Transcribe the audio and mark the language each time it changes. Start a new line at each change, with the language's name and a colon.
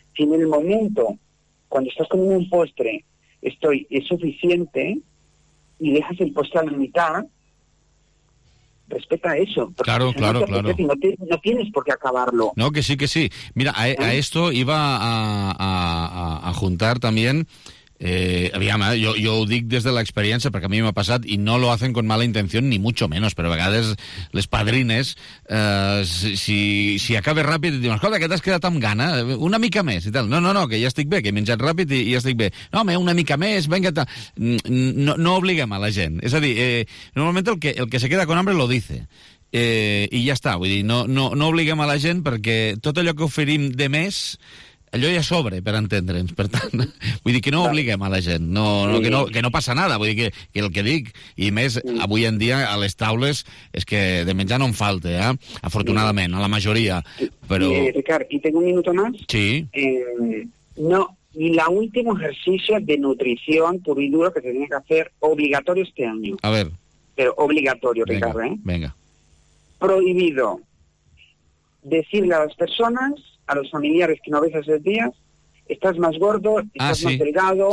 Spanish: Si en el momento, cuando estás comiendo un postre, es suficiente y dejas el postre a la mitad, respeta eso. Claro, claro, claro. No tienes por qué acabarlo. No, que sí, que sí. Mira, a esto iba a juntar también.
Catalan: Yo ho dic des de l'experiència, perquè a mi m'ha passat, i no lo hacen con mala intenció, ni mucho menos, però a vegades les padrines, si acabes ràpid, et diuen, escolta, que t'has quedat amb gana, una mica més, i tal. No, que ja estic bé, que he menjat ràpid i ja estic bé. No, home, una mica més, venga, tal. No obliguem a la gent. És a dir, normalment el que se queda con hambre lo dice. I ja està, vull dir, no obliguem a la gent, perquè tot allò que oferim de més... Allò ja sobra, per entendre'ns, per tant. Vull dir que no obliguem a la gent, que no passa nada, vull dir que el que dic, i més avui en dia a les taules, és que de menjar no en falta, afortunadament, a la majoria. Però...
Spanish: Ricard, ¿y tengo un minuto más? Sí. No, y la última ejercicio de nutrición pura y dura que tenía que hacer obligatorio este año. A ver. Pero obligatorio, Ricard, venga, ¿eh? Venga. Prohibido decirle a las personas, a los familiares que no ves hace días, estás más gordo, estás más delgado,